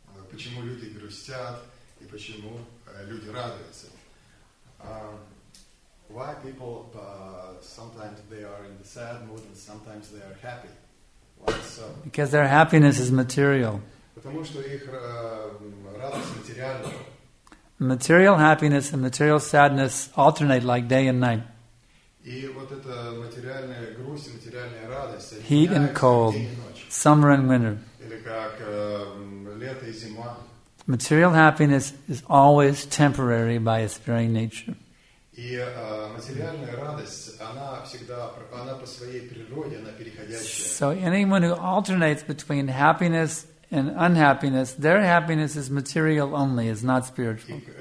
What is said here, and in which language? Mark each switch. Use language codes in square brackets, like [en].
[ru] Почему люди грустят и почему люди радуются? [en] Why people sometimes they are in the sad mood and sometimes they are happy? Why so? Because their happiness is material. [ru] Потому что их радость материальна. [en] Material happiness and material sadness alternate like day and night. [ru] И вот эта материальная грусть и материальная радость. [en] Heat and cold, summer and winter. [ru] Или как лето и зима. [en] Material happiness is always temporary by its very nature. [ru] И материальная радость, она всегда, она по своей природе, она переходящая. [en] So anyone who alternates between happiness and unhappiness, their happiness is material only, it's not spiritual.